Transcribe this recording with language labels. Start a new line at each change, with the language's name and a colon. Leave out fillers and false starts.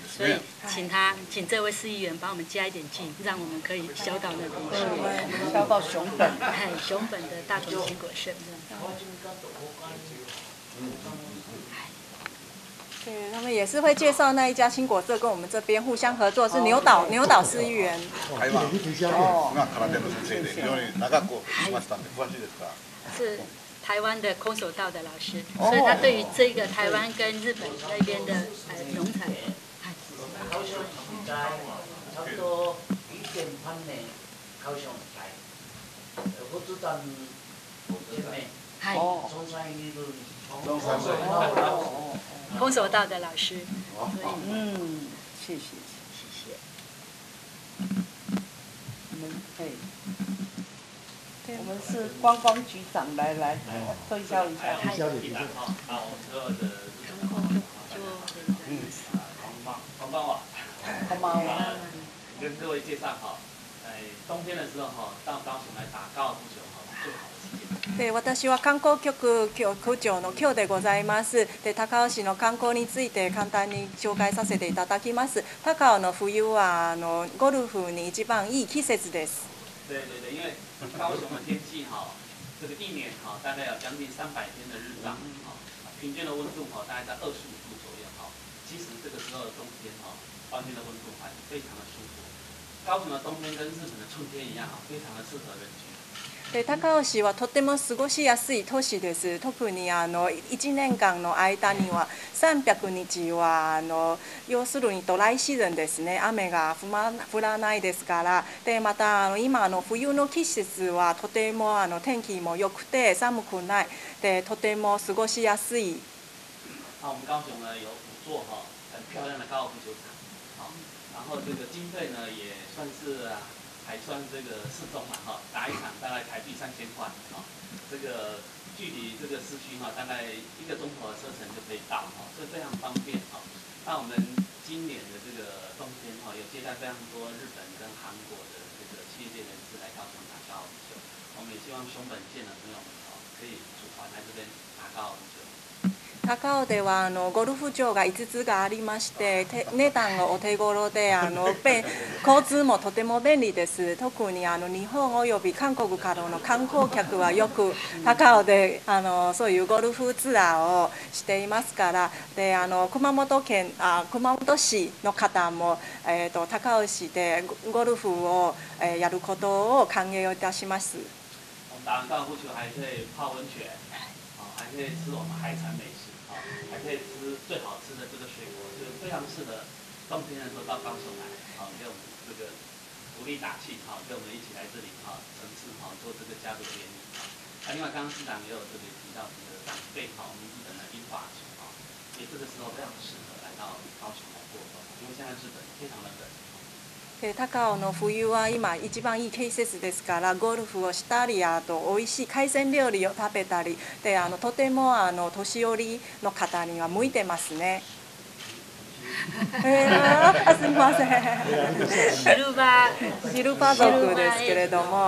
Chinese: 所以请他，请这位市议员帮我们加一点劲，让我们可以销到那边去，销到熊本。哎，熊本的大同青果是。对，他们也是会介绍那一家青果社跟我们这边互相合作，是牛岛牛岛市议员。台湾哦，那
Japanese: 空手道先生で非常に長くいましたんで詳しいですか？
Chinese: 是台湾的空手道的老师，所以他对于这个台湾跟日本那边的农产，高雄市在差不多2008年高雄来，不知道你姐妹，嗨，中山一路，中山一路。空手道的老师，嗯，谢谢，谢谢。我们哎，我们是观光局长，来来，推销一下，推销一下。好，我们所有的中国就是很棒哇。跟各位介绍哈，冬天的时候哈，到高雄来打高尔夫球哈，最好。
Japanese: で私は観光局局長の京でございます。で高雄市の観光について簡単に紹介させていただきます。高雄の冬はあのゴルフに一番いい季節です。对对对，因为高雄的天气哈，这个一年哈大概有将近300天的日照哈，平均的温度哈大概在25度左右哈，其实这个时候的冬天哈，当地的温度还非常的舒服。高雄的冬天跟日本的春天一样哈，非常的适合人居。で高雄市はとても過ごしやすい都市です。特にあの1年間の間には300日はあの要するにドライシーズンですね。雨が降らないですから。でまたあの今の冬の季節はとてもあの天気も良くて寒くない。でとても過ごしやすい。
Chinese: あ、我们高雄呢有5座很漂亮的高尔夫球场，然后这个经费呢也算是还算这个适中嘛哈，打一场大概台币3000块哈，这个距离这个市区哈，大概一个钟头的车程就可以到哈，这非常方便哈。那我们今年的这个冬天哈，有接待非常多日本跟韩国的这个企业界人士来高雄打高尔夫球，我们也希望熊本县的朋友们哈，可以组团来这边打高尔夫球。
Japanese: 高尾ではあのゴルフ場が5つがありまして、値段がお手頃で、あの交通もとても便利です。特にあの日本および韓国からの観光客はよく高尾であのそういうゴルフツアーをしていますから。であの熊本市の方も、高尾市でゴルフを、やることを歓迎いたします。
Chinese: 打完高尔夫球还可以泡温泉，还可以吃我们海产美食，还可以吃最好吃的这个水果，就非常适合冬天的时候到高雄来，好，给我们这个鼓励打气，好，跟我们一起来这里哈，城市哈做这个家族联谊。那另外刚刚市长也有特别提到这个长辈哈，我们日本的樱花球哈，也这个时候非常适合来到高雄来过冬，因为现在日本非常的冷，
Japanese: 高尾の冬は今一番いい季節ですから、ゴルフをしたり、あと美味しい海鮮料理を食べたりで、あのとてもあの年寄りの方には向いてますね。すみません。シルバー族ですけれども、